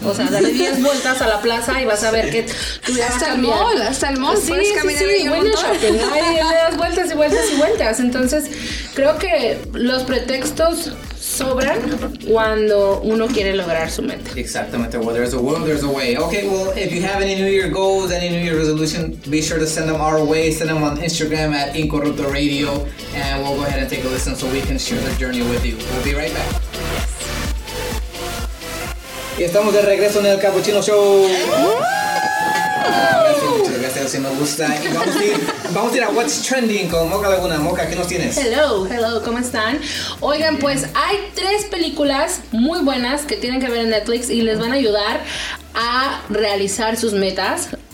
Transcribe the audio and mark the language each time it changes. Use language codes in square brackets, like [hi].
[es] O sea, dale 10 vueltas a la plaza y vas a ver que tú ya vas a cambiar. Hasta el mall, sí, puedes caminar y un montón. Le das vueltas y vueltas y vueltas. Entonces, creo que los pretextos sobran cuando uno quiere lograr su meta. Exactamente. [en] Well, there's a will, there's a way. Okay, well, if you have any New Year goals, any New Year resolution, be sure to send them our way. Send them on Instagram at Incorrupto Radio, and we'll go ahead and take a listen so we can share the journey with you. We'll be right back. [es] Y estamos de regreso en el Cappuccino Show. Si nos gusta, vamos a ir a What's Trending con Moca Laguna. Moca, ¿qué nos tienes? [en] Hello, [es] ¿cómo están? Oigan, pues hay 3 películas muy buenas que tienen que ver en Netflix y les van a ayudar a realizar sus metas.